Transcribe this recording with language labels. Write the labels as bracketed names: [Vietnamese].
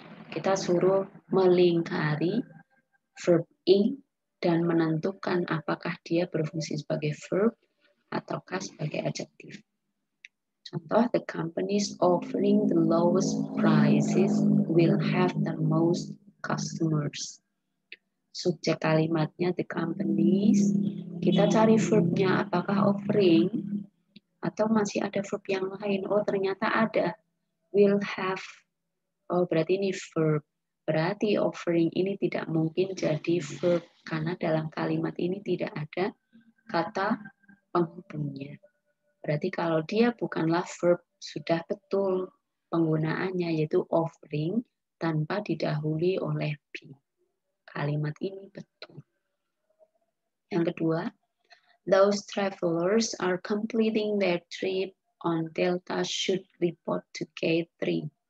[Indonesian] Kita suruh melingkari verb ing dan menentukan apakah dia berfungsi sebagai verb ataukah sebagai adjective. Contoh, [English] the companies offering the lowest prices will have the most customers. [Indonesian] Subjek kalimatnya [English] the companies. [Indonesian] Kita cari verbnya, apakah offering atau masih ada verb yang lain. Oh, ternyata ada. [English] Will have. [Indonesian] Oh, berarti ini verb. Berarti offering ini tidak mungkin jadi verb karena dalam kalimat ini tidak ada kata penghubungnya. Berarti kalau dia bukanlah verb, sudah betul penggunaannya, yaitu offering tanpa didahului oleh be. Kalimat ini betul. Yang kedua, [English] those travelers are completing their trip on Delta should report to K3.